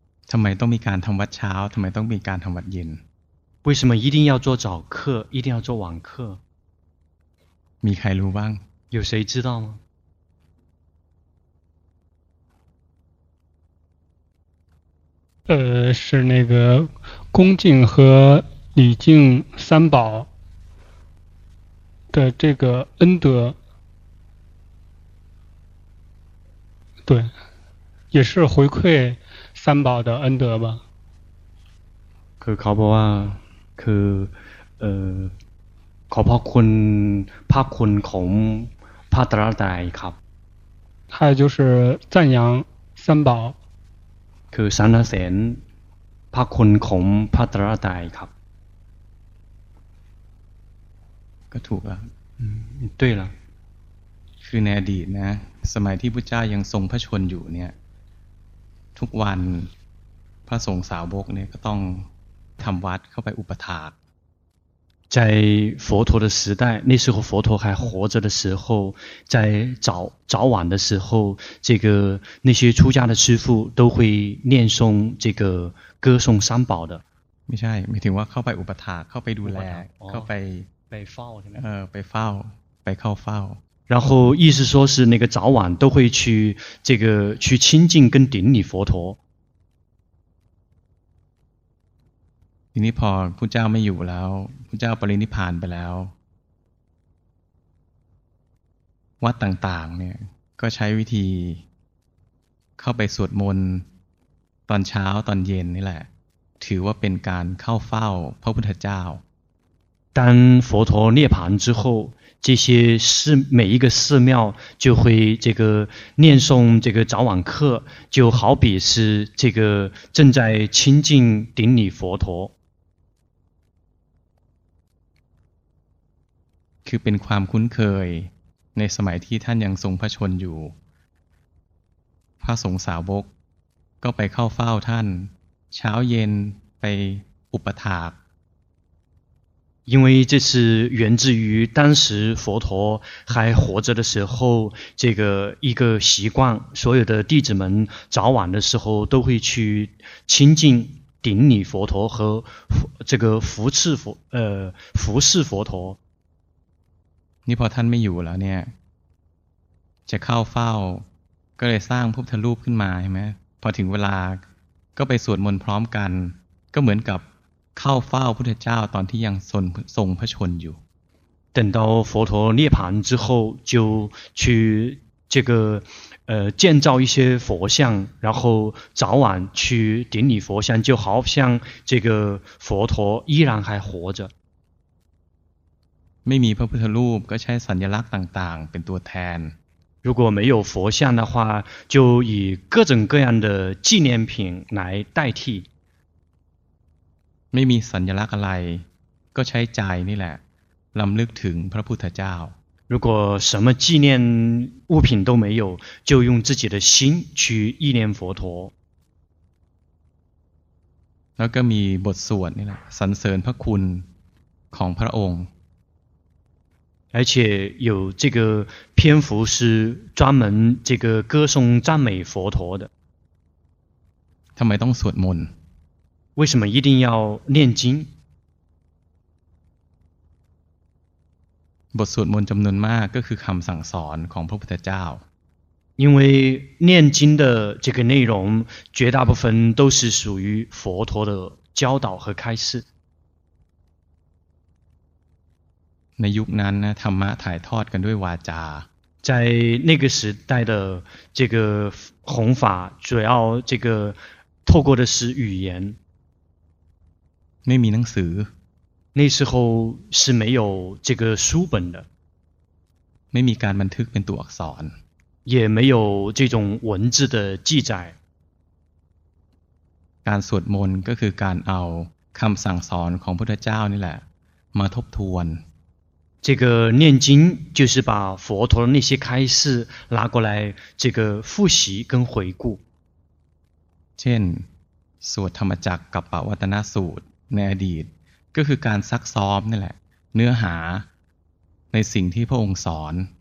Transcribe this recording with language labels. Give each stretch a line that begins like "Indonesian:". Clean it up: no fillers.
Thai: ทำไมต้องมีการทำวัดเช้าทำไมต้องมีการทำวัดเย็น
Chinese: 为什么一定要做早课一定要做网课
Thai: มีใครรู้บ้าง
Chinese: 有谁知道吗是那个恭敬和礼敬三宝的这个恩德对也是回馈三宝的恩德吧
Thai: คือเขาบอกว่าคือขอบพระคุณภาคคุณของพระตรัสไตรครับ
Chinese: 还有就是赞扬三宝
Thai: คือสรรเสริญภาคคุณของพระตรัสไตรครับ ก็ถูกแล้ว ด้วยล่ะ คือในอดีตนะสมัยที่พุทธเจ้ายังทรงพระชนอยู่เนี่ยทุกวันพระสงฆ์สาวกเนี่ยก็ต้องทำวัดเข้าไปอุปถัม ภ์ใน
Chinese: 佛陀的时代那时候佛陀还活着的时候在早晚的时候这个那些出家的师父都会念诵这个歌颂三宝的
Thai: ไม่ใช่ไม่ถึงว่าเข้าไปอุปถัมภ์เข้าไปดูแลเข้าไป ไปเฝ้าใช่ไหม ไปเฝ้าไปเข้าเฝ้า
Chinese: 然后意思说是那个早晚都会去这个去亲近跟顶礼佛陀。
Thai: ทีนี้พอพุทธเจ้าไม่อยู่แล้วพุทธเจ้าปรินิพพานไปแล้ววัดต่างๆเนี่ยก็ใช้วิธีเข้าไปสวดมนต์ตอนเช้าตอนเย็นนี่แหละถือว่าเป็นการเข้าเฝ้าพระพุทธเจ้า
Chinese: 当佛陀涅槃之后这些寺每一个寺庙就会这个念诵这个早晚课就好比是这个正在亲近顶礼佛陀
Thai: คือเป็นความคุ้นเคยในสมัยที่ท่านยังทรงพระชนอยู่พระสงฆ์สาวกก็ไปเข้าเฝ้าท่านเช้าเย็นไปอุปถัมภ์
Chinese: 因为这是源自于当时佛陀还活着的时候这个一个习惯所有的弟子们早晚的时候都会去亲近顶礼佛陀和这个服侍佛陀你
Thai: พอท่านไม่อยู่แล้วเนี่ยจะเข้าเฝ้าก็เลยสร้างพุทธรูปขึ้นมาใช่ไหมพอถึงเวลาก็ไปสวดมนต์พร้อมกันก็เหมือนกับเข้าเฝ้าพุทธเจ้าตอนที่ยังทรงพระชนอยู่
Chinese: 等到佛陀涅槃之后就去这个建造一些佛像然后早晚去顶礼佛像就好像这个佛陀依然还活着
Thai: ไม่มีพระพุทธรูปก็ใช้สัญลักษณ์ต่างๆเป็นตัวแทน
Chinese: 如果没有佛像的话就以各种各样的纪念品来代替
Thai: ไม่มีสัญลักษณ์อะไรก็ใช้ใจนี่แหละรำลึกถึงพระพุทธเจ้า
Chinese: 如果什么纪念物品都没有就用自己的心去忆念佛陀
Thai: แล้วก็มีบทสวดนี่แหละสรรเสริญพระคุณของพระองค์
Chinese: 而且有这个篇幅是专门这个歌颂赞美佛陀的
Thai: ทำไมต้องสวดมนต์
Chinese: 为什么一定要念经
Thai: บทสวดมนต์จำนวนมากก็คือคำสั่งสอนของพระพุทธเจ้า
Chinese: 因为念经的这个内容绝大部分都是属于佛陀的教导和开示
Thai: ในยุคนั้นนะธรรมะถ่ายทอดกันด้วยวาจา
Chinese: 在那个时代的这个弘法主要这个透过的是语言
Thai: ไม่มีหนังสือ
Chinese: 那时候是没有这个书本的
Thai: ไม่มีการบันทึกเป็นตัวอักษร
Chinese: 也没有这种文字的记载
Thai: การสวดมนต์ก็คือการเอาคำสั่งสอนของพุทธเจ้านี่แหละมาทบทวน
Chinese: 这个念经就是把佛陀的那些开示拿过来这个复习跟回顾
Thai: เช่นสวดธรรมจักรกัปปวัตตนสูตรในอดีตก็คือการซักซ้อมนี่แหละเนื้อหาในสิ่งที่พระองค์สอน